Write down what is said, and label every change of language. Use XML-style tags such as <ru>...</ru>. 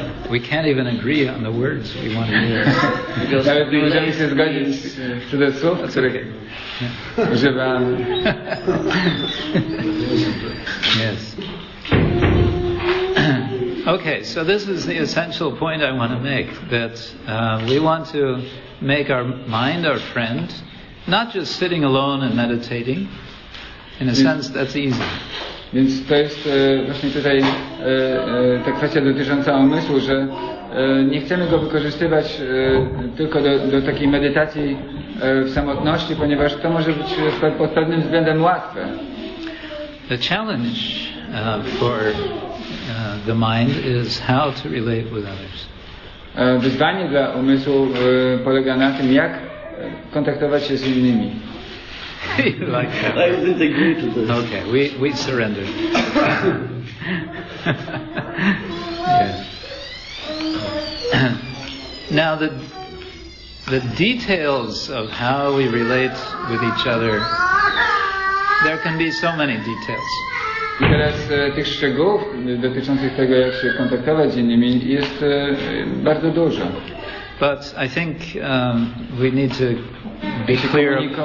<en>We can't even agree on the words we want to use.</en> <pl>Nawet nie możemy się zgodzić z tych słów, których używamy.</pl> <en>Yes. Okay, so this is the essential point I want to make, that we want to make our mind our friend, not just sitting alone and meditating. In a sense, that's easy.</en> <pl>Więc to jest właśnie tutaj ta kwestia dotycząca umysłu, że nie chcemy go wykorzystywać tylko do takiej medytacji w samotności, ponieważ to może być pod pewnym względem łatwe.</pl> <en>The challenge for the mind is how to relate with others.</en> <pl>Wyzwanie dla umysłu polega na tym, jak kontaktować się z innymi.</pl> <en>You like that? I didn't agree to this. Okay, we surrender. Now the details of how we relate with each other, there can be so many details.</en> <pl>I teraz tych szczegółów dotyczących tego, jak się kontaktować z innymi, jest bardzo dużo.</pl> <en>But I think we need to be clear.</en>